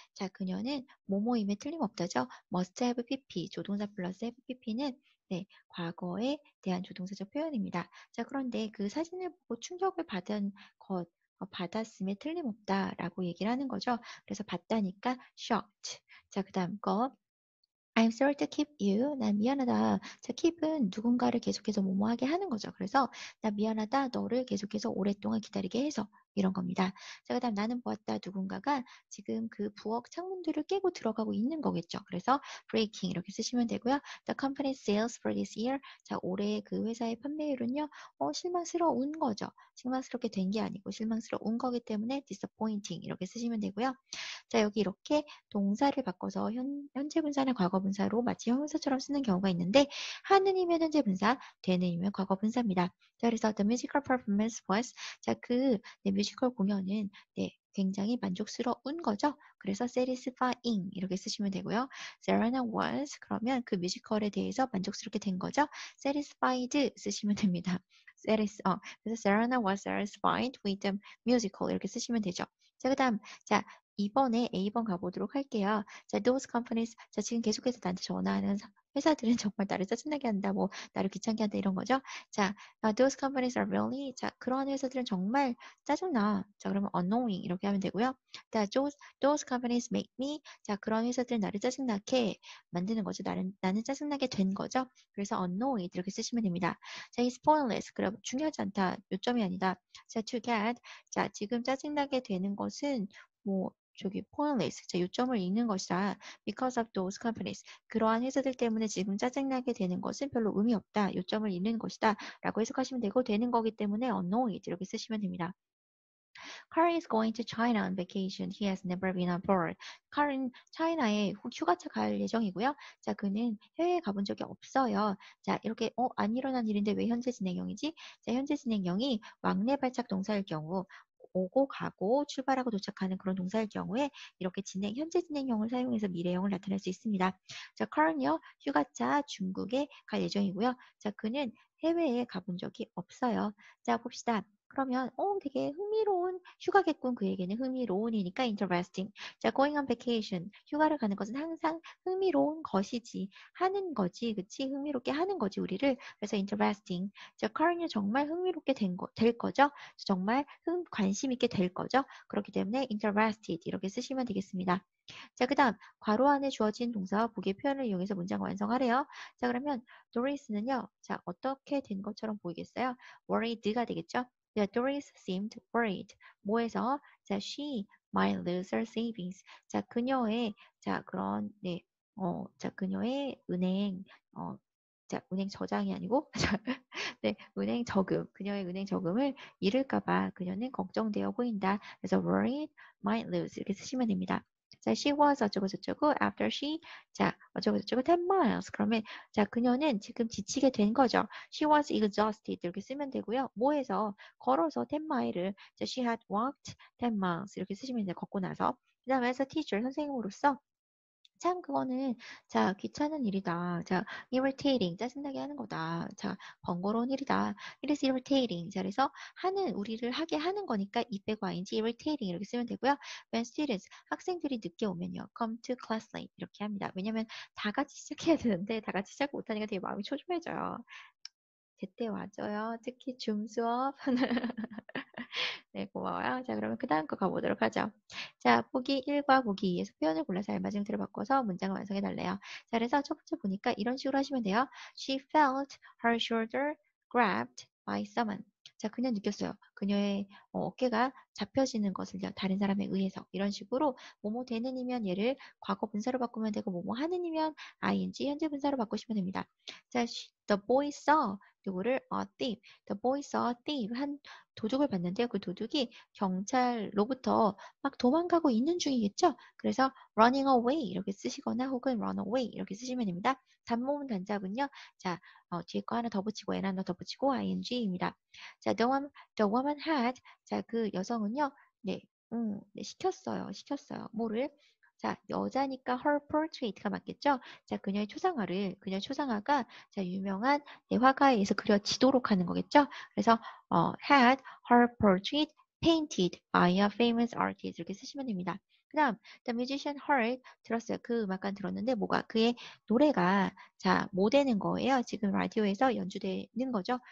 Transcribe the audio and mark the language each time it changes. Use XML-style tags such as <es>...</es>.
<ko>자, 그녀는 뭐뭐임에 틀림없다죠.</ko> <en>must have pp,</en> <ko>조동사 플러스 have pp는 네, 과거에 대한 조동사적 표현입니다. 자, 그런데 그 사진을 보고 충격을 받았음에 틀림없다라고 얘기를 하는 거죠. 그래서 봤다니까 shocked. 자, 그다음 거</ko> <en>I'm sorry to keep you.</en> <ko>난 미안하다. 자, keep은 누군가를 계속해서 뭐뭐하게 하는 거죠. 그래서 나 미안하다. 너를 계속해서 오랫동안 기다리게 해서 이런 겁니다. 자, 그다음 나는 보았다. 누군가가 지금 그 부엌 창문들을 깨고 들어가고 있는 거겠죠. 그래서 breaking 이렇게 쓰시면 되고요.</ko> <en>The company sales for this year.</en> <ko>자, 올해 그 회사의 판매율은요. 실망스러운 거죠. 실망스럽게 된게 아니고 실망스러운 거기 때문에 disappointing 이렇게 쓰시면 되고요. 자, 여기 이렇게 동사를 바꿔서 현재 분사나 과거 분사로 마치 형용사처럼 쓰는 경우가 있는데 하는이면 현재 분사, 되는이면 과거 분사입니다. 자, 그래서</ko> <en>the musical performance was</en> <ko>자, 그 네, 뮤지컬 공연은 네, 굉장히 만족스러운 거죠. 그래서 satisfying 이렇게 쓰시면 되고요.</ko> <en>Serena was</en> <ko>그러면 그 뮤지컬에 대해서 만족스럽게 된 거죠. satisfied 쓰시면 됩니다.</ko> <en>그래서 Serena was satisfied with the musical</en> <ko>이렇게 쓰시면 되죠. 자, 그다음 자 2번에 A번 가보도록 할게요.</ko> <en>자, those companies.</en> <ko>자, 지금 계속해서 나한테 전화하는 회사들은 정말 나를 짜증나게 한다, 뭐, 나를 귀찮게 한다, 이런 거죠.</ko> <en>자, those companies are really.</en> <ko>자, 그런 회사들은 정말 짜증나. 자, 그러면 annoying. 이렇게 하면 되고요.</ko> <en>자, those companies make me.</en> <ko>자, 그런 회사들은 나를 짜증나게 만드는 거죠. 나는 짜증나게 된 거죠. 그래서 annoying. 이렇게 쓰시면 됩니다. 자,</ko> <en>is pointless.</en> <ko>그럼 중요하지 않다. 요점이 아니다. 자,</ko> <en>to get.</en> <ko>자, 지금 짜증나게 되는 것은 뭐, 저기 pointless. 자, 요점을 잃는 것이다.</ko> <en>Because of those companies.</en> <ko>그러한 회사들 때문에 지금 짜증나게 되는 것은 별로 의미 없다. 요점을 잃는 것이다. 라고 해석하시면 되고, 되는 거기 때문에 annoyed. 이렇게 쓰시면 됩니다.</ko> <en>Carl is going to China on vacation. He has never been abroad.</en> <ko>Carl은 차이나에 휴가차 갈 예정이고요. 자, 그는 해외에 가본 적이 없어요. 자, 이렇게 안 일어난 일인데 왜 현재 진행형이지? 자, 현재 진행형이 왕래 발작 동사일 경우 오고 가고 출발하고 도착하는 그런 동사일 경우에 이렇게 현재 진행형을 사용해서 미래형을 나타낼 수 있습니다. 자, Carl요. 휴가차 중국에 갈 예정이고요. 자, 그는 해외에 가본 적이 없어요. 자, 봅시다. 그러면 되게 흥미로운 휴가겠군. 그에게는 흥미로운이니까 interesting.</ko> <en>자, going on vacation.</en> <ko>휴가를 가는 것은 항상 흥미로운 것이지. 하는 거지. 그치? 흥미롭게 하는 거지, 우리를. 그래서 interesting. 자, Carl은 정말 흥미롭게 될 거죠? 정말 관심 있게 될 거죠? 그렇기 때문에 interested 이렇게 쓰시면 되겠습니다. 자, 그다음 괄호 안에 주어진 동사와 보기의 표현을 이용해서 문장 완성하래요. 자, 그러면 Doris는요. 자, 어떻게 된 것처럼 보이겠어요? worried가 되겠죠?</ko> <en>Yeah, Doris seemed worried.</en> <ko>뭐에서?</ko> <en>자, she might lose her savings.</en> <ko>자, 그녀의 자 그런 네, 어, 자 그녀의 은행 어, 자 은행 저장이 아니고 네, 은행 저금 그녀의 은행 저금을 잃을까 봐 그녀는 걱정되어 보인다. 그래서</ko> <en>worried might lose</en> <ko>이렇게 쓰시면 됩니다. 자,</ko> <en>she was</en> <ko>어쩌고저쩌고</ko> <en>after she</en> <ko>자 어쩌고저쩌고 10 miles 그러면 자 그녀는 지금 지치게 된 거죠.</ko> <en>She was exhausted</en> <ko>이렇게 쓰면 되고요. 뭐에서 걸어서 10 마일을 자</ko> <en>she had walked 10 miles</en> <ko>이렇게 쓰시면 돼요. 걷고 나서 그다음에</ko> <en>as a teacher</en> <ko>선생님으로서 참 그거는 자 귀찮은 일이다. 자 irritating 짜증나게 하는 거다. 자 번거로운 일이다.</ko> <en>It is irritating.</en> <ko>자 그래서 하는 우리를 하게 하는 거니까 it 빼고 ing irritating 이렇게 쓰면 되고요. When students 학생들이 늦게 오면요,</ko> <en>come to class late</en> <ko>이렇게 합니다. 왜냐면 다 같이 시작해야 되는데 다 같이 시작 못하니까 되게 마음이 초조해져요. 제때 와줘요. 특히 줌 수업. 네, 고마워요. 자, 그러면 그 다음 거 가보도록 하죠. 자, 보기 1과 보기 2에서 표현을 골라서 알맞은 그대로 바꿔서 문장을 완성해 달래요. 자, 그래서 첫 번째 보니까 이런 식으로 하시면 돼요.</ko> <en>She felt her shoulder grabbed by someone.</en> <ko>자, 그녀 느꼈어요. 그녀의 어깨가 잡혀지는 것을요. 다른 사람에 의해서. 이런 식으로, 뭐뭐 되는이면 얘를 과거 분사로 바꾸면 되고, 뭐뭐 하는이면 ing 현재 분사로 바꾸시면 됩니다. 자,</ko> <en>The boy saw</en> <ko>누구를?</ko> <en>A thief. The boy saw a thief.</en> <ko>한 도둑을 봤는데요. 그 도둑이 경찰로부터 막 도망가고 있는 중이겠죠? 그래서</ko> <en>running away</en> <ko>이렇게 쓰시거나 혹은</ko> <en>run away</en> <ko>이렇게 쓰시면 됩니다. 단모음 단잡은요. 자, 뒤에 거 하나 더 붙이고 n 하나 더 붙이고 ing입니다. 자,</ko> <en>the woman had</en> <ko>자, 그 여성은요. 네, 네, 시켰어요. 시켰어요. 뭐를? 자, 여자니까 her portrait가 맞겠죠? 자, 그녀의 초상화를, 그녀의 초상화가, 자, 유명한 네, 화가에서 그려지도록 하는 거겠죠?</ko> <en>그래서, had her portrait painted by a famous artist.</en> <ko>이렇게 쓰시면 됩니다. 그 다음,</ko> <en>the musician heard,</en> <ko>들었어요. 그 음악관 들었는데, 뭐가? 그의 노래가, 자, 뭐 되는 거예요? 지금 라디오에서 연주되는 거죠?</ko>